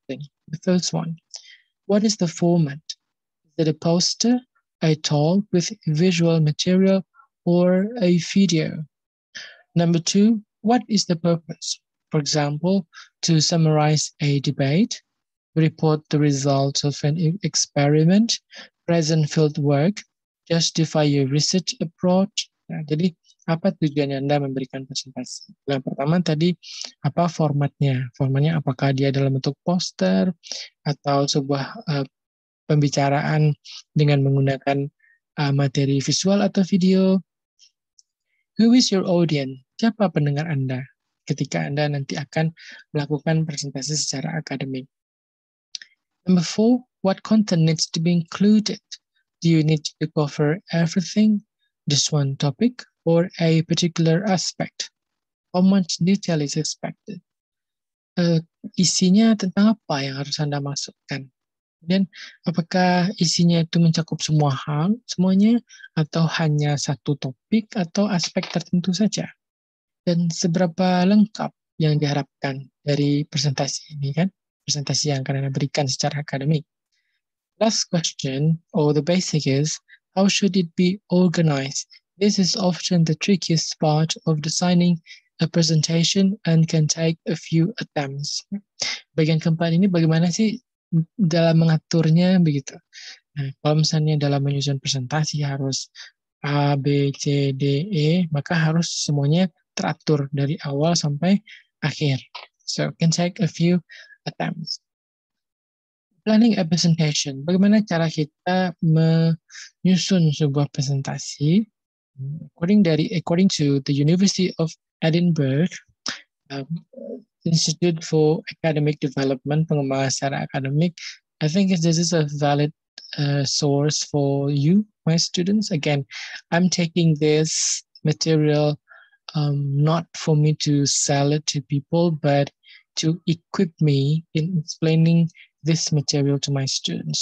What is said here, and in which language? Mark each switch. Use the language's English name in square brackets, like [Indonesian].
[English] The first one, what is the format? Is it a poster, a talk with visual material, or a video? Number two, what is the purpose? For example, to summarize a debate, report the results of an experiment, present field work, justify your research approach. [Indonesian] Nah, jadi, apa tujuannya Anda memberikan presentasi? Yang pertama tadi, apa formatnya? Formatnya apakah dia dalam bentuk poster atau sebuah pembicaraan dengan menggunakan materi visual atau video? [English] Who is your audience? [Indonesian] Siapa pendengar Anda ketika Anda nanti akan melakukan presentasi secara akademik? [English] Number four, what content needs to be included? Do you need to cover everything, this one topic, or a particular aspect? How much detail is expected? [Indonesian] Isinya tentang apa yang harus Anda masukkan? Dan apakah isinya itu mencakup semua hal, semuanya, atau hanya satu topik atau aspek tertentu saja? Dan seberapa lengkap yang diharapkan dari presentasi ini, kan? Presentasi yang akan Anda berikan secara akademik. [English] Last question, or the basic is, how should it be organized? This is often the trickiest part of designing a presentation and can take a few attempts. [Indonesian] Bagian keempat ini bagaimana sih dalam mengaturnya begitu? Nah, kalau misalnya dalam menyusun presentasi harus A, B, C, D, E, maka harus semuanya teratur dari awal sampai akhir. [English] So, can take a few attempts. Planning a presentation. [Indonesian] Bagaimana cara kita menyusun sebuah presentasi? [English] According to the University of Edinburgh, Institute for Academic Development, [Indonesian] pengembangan secara akademik, [English] I think this is a valid source for you, my students. Again, I'm taking this material not for me to sell it to people, but to equip me in explaining this material to my students.